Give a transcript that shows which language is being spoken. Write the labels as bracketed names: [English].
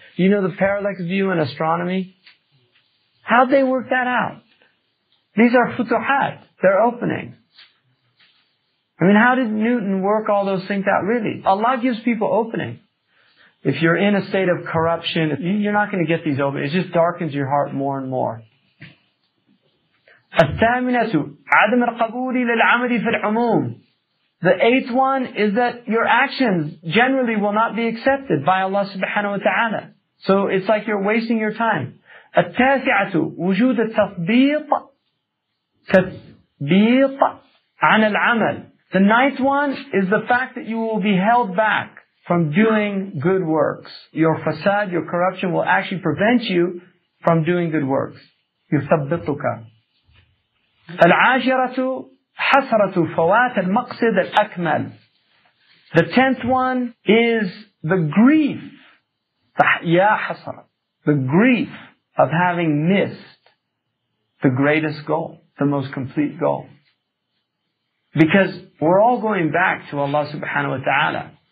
[English] You know the parallax view in astronomy? How'd they work that out? These are futuhat, they're opening. I mean, how did Newton work all those things out, really? Allah gives people opening. If you're in a state of corruption, you're not going to get these openings. It just darkens your heart more and more. [Arabic] الثامنة, عدم القبول للعمل في العموم. [English] The eighth one is that your actions generally will not be accepted by Allah subhanahu wa ta'ala. So it's like you're wasting your time. [Arabic] التاسعة, وجود التطبيق. تثبيط عن العمل. [English] The ninth one is the fact that you will be held back from doing good works. Your fasad, your corruption will actually prevent you from doing good works. [Arabic] يثبطك. العاشرة حسرة فوات المقصد الأكمل. [English] The tenth one is the grief. [Arabic] يا حسرة. [English] The grief of having missed the greatest goal. The most complete goal. Because we're all going back to Allah subhanahu wa ta'ala.